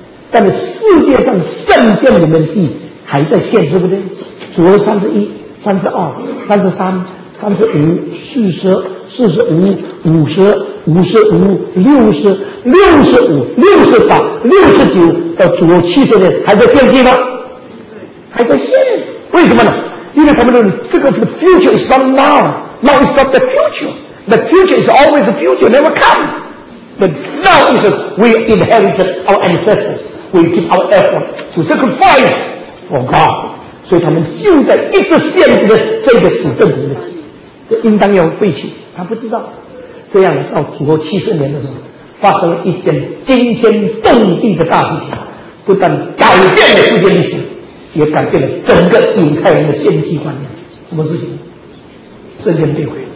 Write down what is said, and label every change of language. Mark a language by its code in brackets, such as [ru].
[zh] 但是世界上圣殿里面的祭还在献，对不对？主后31、32、33、35、40、45、50、55、60、65、68、69，到主后70年还在献祭吗？还在献，为什么呢？因为他们认为这个 [en] future is not now, now is not the future, the future is always the future, never come. But now is that we inherited our ancestors, we give our effort to sacrifice for God. [zh] 所以他们就在一直限制着这个死政府的，这应当要废弃，他不知道。这样到主后70年的时候，发生了一件惊天动地的大事情，不但改变了世界历史，也改变了整个犹太人的献祭观念。什么事情？圣殿被毁。